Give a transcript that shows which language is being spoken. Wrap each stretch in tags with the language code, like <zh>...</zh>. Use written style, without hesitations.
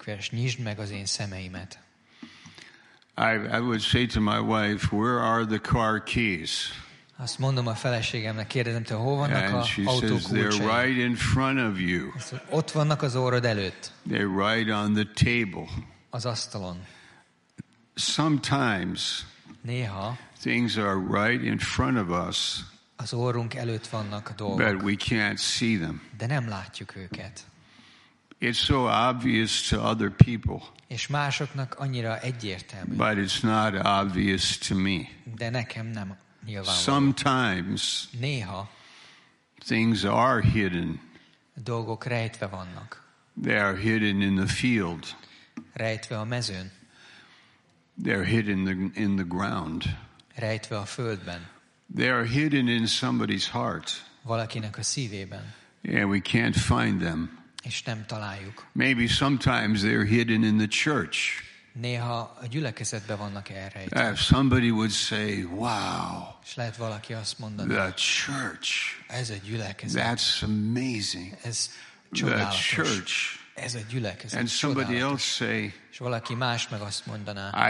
<hu>vers, nyisd meg az én szemeimet.</hu> <en>I would say to my wife, where are the car keys?</en> <hu>Azt mondom a feleségemnek, kérdezem, te hol vannak</hu> <en>and</en> <hu>a autókulcsai?</hu> <en>They're right in front of you.</en> <hu>Ott vannak az orrod előtt.</hu> <en>They're right on the table.</en> <hu>Az asztalon.</hu> <en>Sometimes.</en> <hu>Néha.</hu> <en>Things are right in front of us.</en> <hu>Az orrunk előtt vannak a dolgok.</hu> <en>But we can't see them.</en> <hu>De nem látjuk őket.</hu> <en>It's so obvious to other people.</en> <hu>És másoknak annyira egyértelmű.</hu> <en>But it's not obvious to me.</en> <hu>De nekem nem.</hu> <en>Sometimes</en> <hu>néha</hu> <en>things are hidden.</en> <hu>Dolgok rejtve vannak.</hu> <en>They are hidden in the field.</en> <hu>Rejtve a mezőn.</hu> <en>They are hidden in the ground.</en> <hu>Rejtve a földben.</hu> <en>They are hidden in somebody's heart.</en> <hu>Valakinek a szívében.</hu> <en>And we can't find them.</en> <hu>És nem találjuk.</hu> <en>Maybe sometimes they are hidden in the church.</en> <hu>Néha a gyülekezetben vannak elrejtve.</hu> <en>If somebody would say, wow.</en> <hu>És lehet valaki azt mondani.</hu> <en>The church.</en> <hu>Ez a gyülekezet.</hu> <en>That's amazing.</en> <hu>Ez csodálatos.</hu> <en>The church.</en> <hu>Ez a gyülekezet.</hu> <en>And somebody</en> <hu>csodálatos.</hu> <en>Else say,</en> <hu>és valaki más meg azt mondaná.</hu>